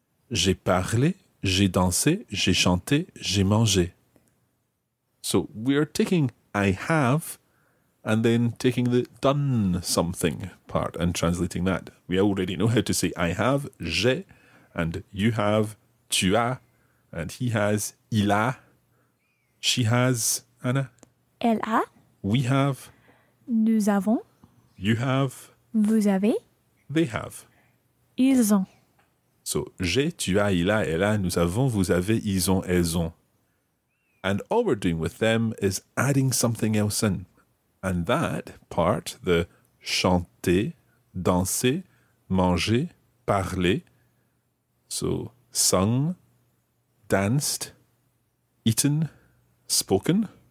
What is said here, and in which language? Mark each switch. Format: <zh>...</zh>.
<fr>J'ai parlé, j'ai dansé, j'ai chanté, j'ai mangé.</fr> <en>So we are taking I have and then taking the done something part and translating that. We already know how to say I have,</en> <fr>j'ai,</fr> <en>and you have,</en> <fr>tu as,</fr> <en>and he has,</en> <fr>il a,</fr> <en>she has, Anna.</en> <fr>Elle a.</fr> <en>We have.</en> <fr>Nous avons.</fr> <en>You have.</en> <fr>Vous avez.</fr> <en>They have.</en> <fr>Ils ont. So, j'ai, tu as, il a, elle a, nous avons, vous avez, ils ont, elles ont.</fr> <en>And all we're doing with them is adding something else in. And that part, the</en> <fr>chanter, danser, manger, parler.</fr> <en>So, sung, danced, eaten, spoken.</en>